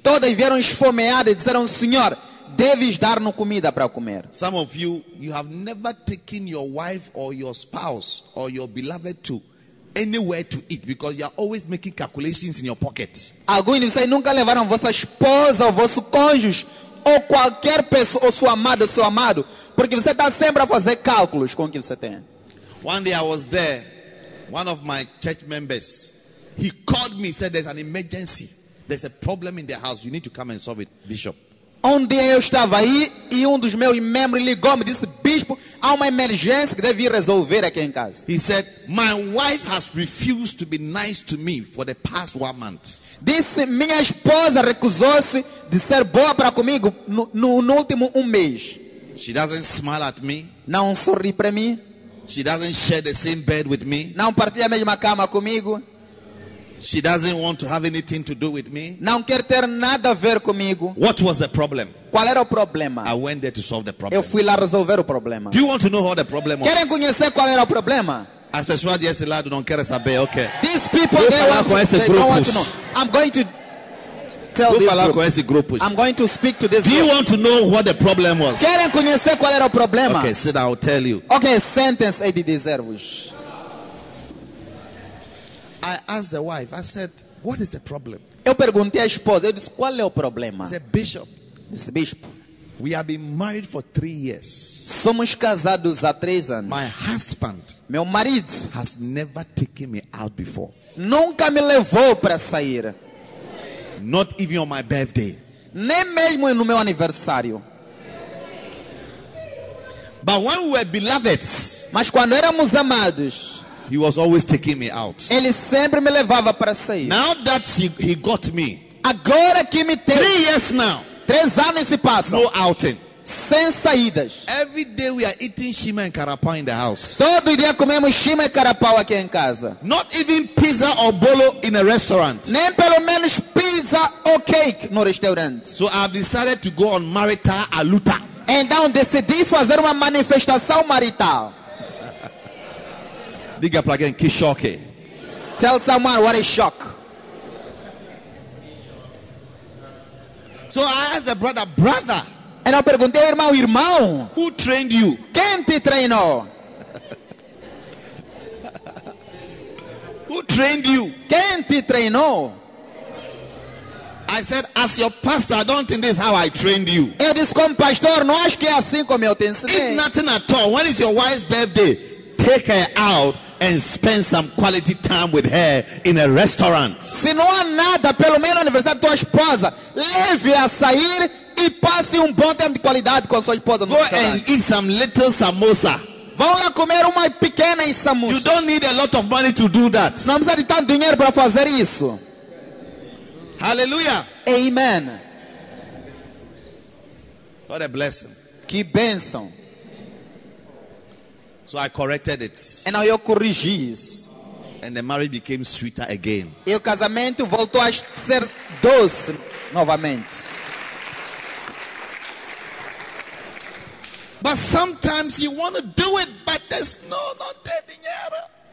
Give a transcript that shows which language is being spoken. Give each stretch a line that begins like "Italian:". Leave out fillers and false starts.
Portuguese: Todos vieram esfomeados e disseram, "Senhor, deves dar-nos comida para comer."
English: Some of you, you have never taken your wife or your spouse or your beloved to anywhere to eat because you are always making calculations in your pocket.
Portuguese: Alguns de vocês nunca levaram vossa esposa ou vosso cônjuge ou qualquer pessoa, ou sua amada, seu amado, porque você está sempre a fazer cálculos com o que você tem.
English: One day I was there, one of my church members, he called me, said there's an emergency. There's a problem in the house. You need to come and solve it, Bishop.
Portuguese: Onde eu estava aí e dos meus membros ligou me disse, Bispo, há uma emergência que deve resolver aqui em casa.
English: He said, my wife has refused to be nice to me for the past 1 month.
Portuguese: Disse, minha esposa recusou-se de ser boa para comigo no último 1 mês.
English: She doesn't smile at me.
Portuguese: Não sorri para mim.
English: She doesn't share the same bed with me.
Portuguese: Não partilha a mesma cama comigo.
English: She doesn't want to have anything to do with me.
Portuguese: Não quer ter nada a ver comigo.
English: What was the problem?
Portuguese: Qual era o problema?
English: I went there to solve the problem.
Portuguese: Eu fui lá resolver o problema.
English: Do you want to know what the problem was?
Portuguese: Querem conhecer qual era o problema? As pessoas desse lado não querem saber, okay.
English: These people they want to, they don't want to know. I'm going to tell
Portuguese: Vou
English: this
Portuguese: falar
English: group.
Portuguese: Com esse grupo.
English: I'm going to speak to this
Portuguese: Do
English: group. You want to know what the problem was?
Portuguese: Querem conhecer qual era o problema?
English: Okay, sit down, I'll tell you.
Portuguese: Okay, sentence aí de deservos.
English: I asked the wife, I said, what is the problem?
Portuguese: Eu perguntei à esposa, eu disse, qual é o problema?
English: I said, Bishop.
Portuguese: Disse, Bishop.
English: We have been married for 3 years.
Portuguese: Somos casados há 3 anos.
English: My husband,
Portuguese: meu marido,
English: has never taken me out before.
Portuguese: Nunca me levou para sair.
English: Not even on my birthday.
Portuguese: Nem mesmo no meu aniversário.
English: But when we were beloveds,
Portuguese: mas quando éramos amados,
English: he was always taking me out.
Portuguese: Ele sempre me levava para sair.
English: Now that he got me,
Portuguese: agora que me tem,
English: 3 years now.
Portuguese: 3 anos se passam.
English: No outing.
Portuguese: Sem saídas.
English: Every day we are eating shima and carapau in the house.
Portuguese: Todo dia comemos shima e carapau aqui em casa.
English: Not even pizza or bolo in a restaurant.
Portuguese: Nem pelo menos pizza ou cake no restaurante.
English: So I've decided to go on marital aluta.
Portuguese: Então decidi fazer uma manifestação marital. Diga para alguém que choque.
English: Tell someone what a shock. So I asked the brother, brother.
Portuguese: And eu perguntei, irmão.
English: Who trained you?
Portuguese: Quem te treinou?
English: Who trained you?
Portuguese: Quem te treinou?
English: I said, as your pastor, I don't think this is how I trained you.
Portuguese: Eu disse, como pastor, não acho que é assim como eu te ensinei.
English: If nothing at all, when is your wife's birthday? Take her out and spend some quality time with her in a restaurant.
Portuguese: Se não há nada, pelo menos aniversário da tua esposa, leve a sair e passe bom tempo de qualidade com a sua esposa no
English: Go
Portuguese: restaurante.
English: And eat some little samosa.
Portuguese: Vão lá comer uma pequena samosa.
English: You don't need a lot of money to do that.
Portuguese: Não precisa de tanto dinheiro para fazer isso.
English: Hallelujah. Amen. What a blessing.
Portuguese: Que bênção.
English: So I corrected it. And now
Portuguese: eu corrigi isso.
English: And the marriage became sweeter again.
Portuguese: E o casamento voltou a ser doce novamente.
English: But sometimes you want to do it, but there's no dinheiro.